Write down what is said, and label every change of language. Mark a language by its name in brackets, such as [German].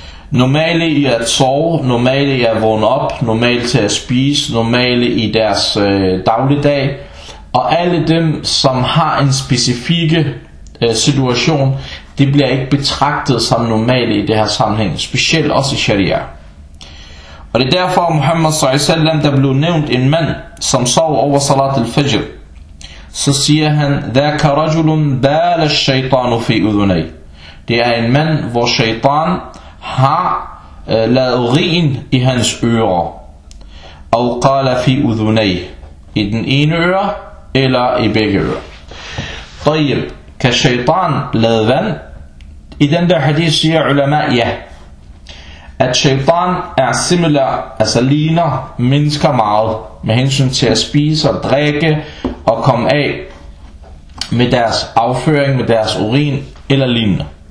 [Danish] Normale i at sove, normale i at vågne op, normale til at spise, normale i deres dagligdag. Og alle dem, som har en specifikke situation, det bliver ikke betragtet som normalt i det her sammenhæng, specielt også i sharia. Og det er derfor Muhammad s.a.w. der blev nævnt en mand, som sov over salat al-fajr. Så siger han, [Arabic] ذَاكَ رَجُلٌ بَالَ الشَّيْطَانُ فِي أُذُنَيْ. [Danish] Det er en mand, hvor shaitan har lavet urin i hans ører. Og [Arabic] قَالَ فِي أُذُنَيْ. [Danish] I den ene øre, eller i begge øre. طيب, kan shaitan lave vand? I den der hadith siger ulema, ja. At shaitan er similar, altså ligner mennesker meget, med hensyn til at spise og drikke og komme af med deres afføring, med deres urin eller lignende.